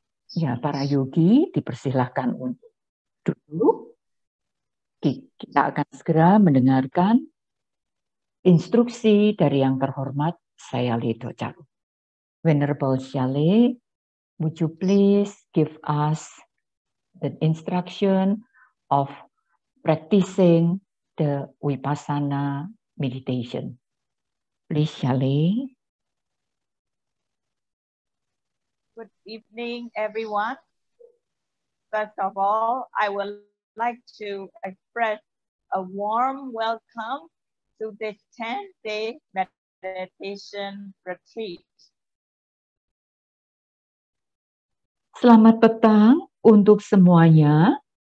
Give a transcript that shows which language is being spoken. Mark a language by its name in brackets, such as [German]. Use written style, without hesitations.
[Indonesian] Ya, para yogi dipersilahkan untuk duduk. Kita akan segera mendengarkan instruksi dari yang terhormat Saya Ledo Caru. [English] Venerable Shale, would you please give us the instruction of practicing the Vipassana meditation? Please, Shale. Good evening, everyone. First of all, I would like to express a warm welcome to this 10-day meditation retreat. [Indonesian] Selamat petang untuk semuanya.